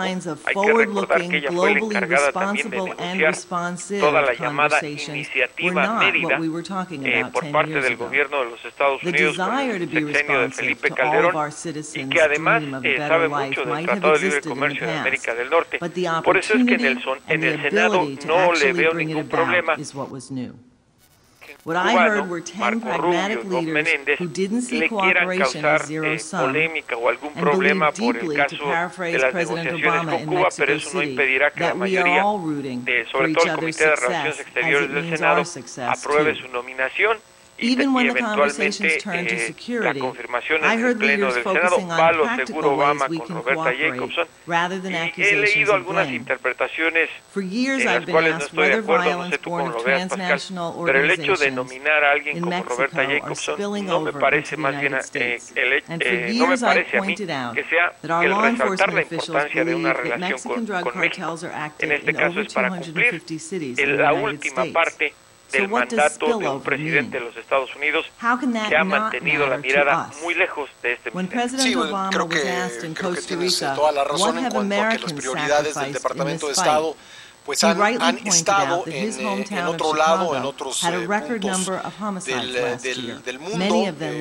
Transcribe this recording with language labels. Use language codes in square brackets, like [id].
[es] Hay que recordar que ella fue la encargada también de negociar toda la llamada iniciativa Mérida, por parte del gobierno de los Estados Unidos con el sexenio de Felipe Calderón, y que además sabe mucho del Tratado de Libre Comercio de América del Norte. Por eso es que en el Senado no le veo ningún problema. [en] What I heard were 10 pragmatic leaders who didn't see cooperation as zero sum and believe deeply, to paraphrase President Obama in Mexico City, that we are all rooting for each other's success as it means our success too. Even when the conversations turned to security, I heard leaders focusing on practical ways we can cooperate rather than accusations of blame. For years I've been asked whether violence born of transnational organizations in Mexico are spilling over into the United States. And for years I've pointed out that our law enforcement officials believe that Mexican drug cartels are active in over 250 cities in the United States. [es] Del mandato de un presidente de los Estados Unidos que ha mantenido la mirada muy lejos de este presidente. Sí, creo que tienes toda la razón en cuanto a que las prioridades del Departamento de Estado pues han estado en otro lado, en otros puntos del mundo.